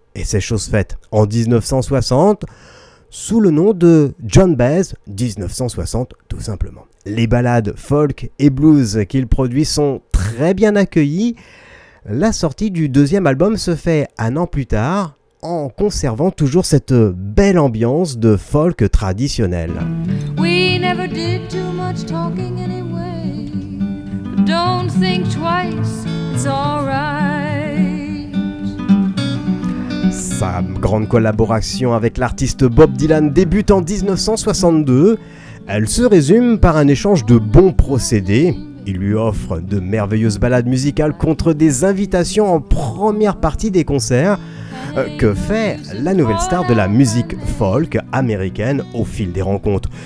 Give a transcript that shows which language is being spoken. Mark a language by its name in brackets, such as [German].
[French] Et c'est chose faite en 1960 sous le nom de John Baez, 1960 tout simplement. Les ballades folk et blues qu'il produit sont très bien accueillies. La sortie du deuxième album se fait un an plus tard, en conservant toujours cette belle ambiance de folk traditionnel. [English] We never did too much talking anyway. Don't think twice, it's all right. [French] Sa grande collaboration avec l'artiste Bob Dylan débute en 1962. Elle se résume par un échange de bons procédés. Il lui offre de merveilleuses balades musicales contre des invitations en première partie des concerts que fait la nouvelle star de la musique folk américaine au fil des rencontres.